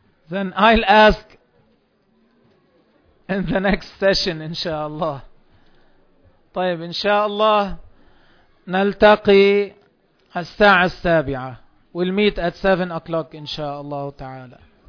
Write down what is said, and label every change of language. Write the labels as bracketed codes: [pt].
[en] Then I'll ask in the next session, inshallah. [ar] طيب إن شاء الله نلتقي الساعة السابعة. [en] We'll meet at 7 o'clock, inshallah ta'ala.